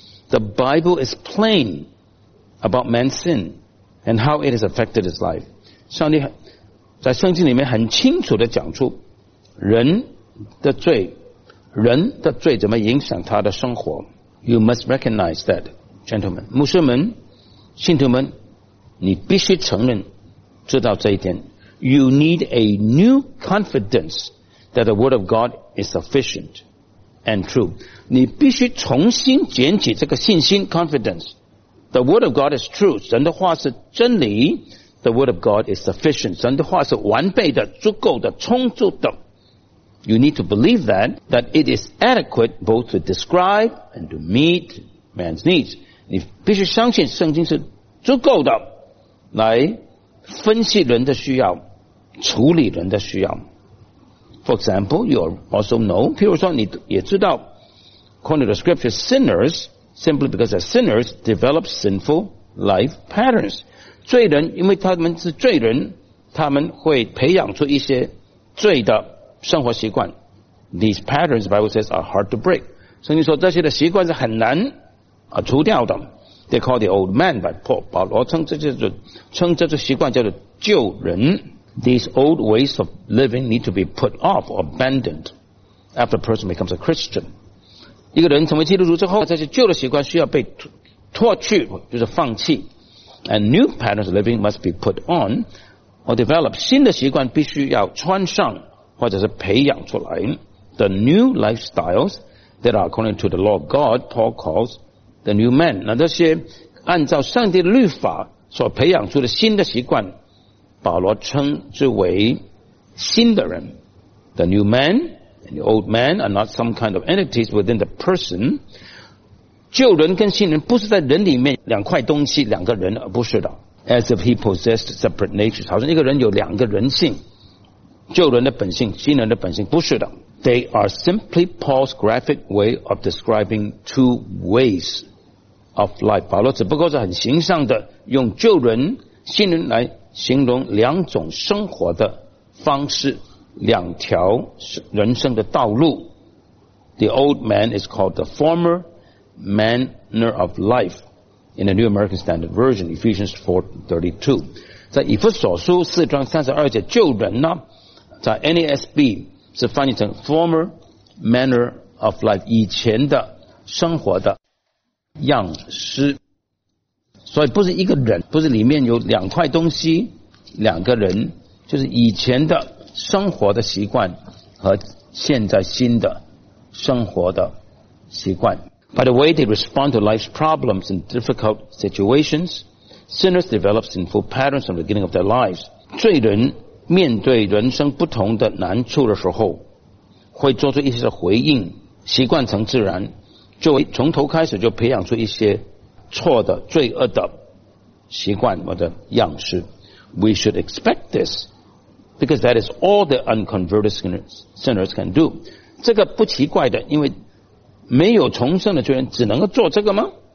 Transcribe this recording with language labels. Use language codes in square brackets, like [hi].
[en] The Bible is plain about man's sin and how it has affected his life。 [zh] 上帝在圣经里面很清楚地讲出人的罪怎么影响他的生活。 [en] You must recognize that, gentlemen。 [zh] 牧师们、信徒们，你必须承认。知道这一点。 [en] You need a new confidence that the word of God is sufficient. and true. [zh] 你必须重新捡起这个信心 confidence. [en] The word of God is true. [zh] 神的话是真理。 [en] The word of God is sufficient. [zh] 神的话是完备的、足够的、充足的。 [en] You need to believe that, that it is adequate both to describe and to meet man's needs. [zh] 你必须相信圣经是足够的来分析人的需要、处理人的需要。 [en] For example, you also know, [zh] 譬如说你也知道 [en] according to the scripture, sinners, simply because they're sinners, develop sinful life patterns. [zh] 罪人因为他们是罪人，他们会培养出一些罪的生活习惯。 [en] These patterns, the Bible says, are hard to break. [zh] 圣经说这些的习惯是很难除掉的。 [en] They call the old man, but Paul, [zh] 保罗称这些习惯叫做旧人。 [en] These old ways of living need to be put off or abandoned after a person becomes a Christian. [zh] 一个人成为基督徒之后，这些旧的习惯需要被脱去，就是放弃。 [en] And new patterns of living must be put on or developed. [zh] 新的习惯必须要穿上或者是培养出来。 [en] The new lifestyles that are according to the law of God, Paul calls the new man. [zh] 那这些按照上帝的律法所培养出的新的习惯，保罗称之为新的人。 [en] The new man and the old man are not some kind of entities within the person. [zh] 旧人跟新人不是在人里面两块东西，两个人，而不是的。 [en] As if he possessed separate natures, [zh] 好像一个人有两个人性，旧人的本性，新人的本性，不是的。 [en] They are simply Paul's graphic way of describing two ways of life. [zh] 保罗只不过是很形象的用旧人新人来形容两种生活的方式，两条人生的道路。 [en] The old man is called the former manner of life in the New American Standard Version, Ephesians 4:32. [zh] 在以弗所书四章三十二节，旧人呢，在 NASB 是翻译成 [en] former manner of life, [zh] 以前的生活的样式。所以不是一个人，不是里面有两块东西，两个人，就是以前的生活的习惯和现在新的生活的习惯。 [en] By the way, they respond to life's problems and difficult situations. Sinners develop sinful patterns from the beginning of their lives. [zh] 罪人面对人生不同的难处的时候，会做出一些回应，习惯成自然，就从头开始就培养出一些错的、罪恶的习惯或者样式。 [en] We should expect this, because that is all the unconverted sinners can do. [zh] 这个不奇怪的，因为没有重生的罪人只能够做这个吗？